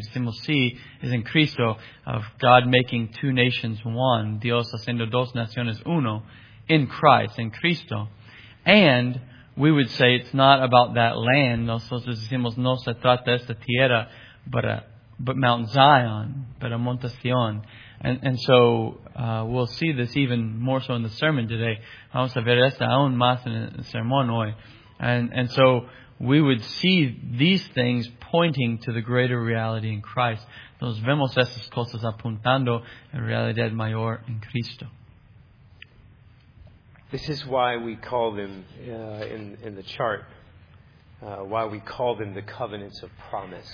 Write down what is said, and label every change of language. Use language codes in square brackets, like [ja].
[es] Y decimos sí, es en Cristo, [en] of God making two nations one, [es] Dios haciendo dos naciones uno, [en] in Christ, [es] in Cristo. [en] And we would say it's not about that land. [es] Nosotros decimos no se trata de esta tierra, [en] but Mount Zion, [es] but a Monte Sion. [en] And so we'll see this even more so in the sermon today. [es] Vamos a ver esta aún más en el sermón hoy. [en] And so we would see these things pointing to the greater reality in Christ. [es] Nos vemos esas cosas apuntando a realidad mayor en Cristo. [en] This is why we call them, in the chart, why we call them the covenants of promise.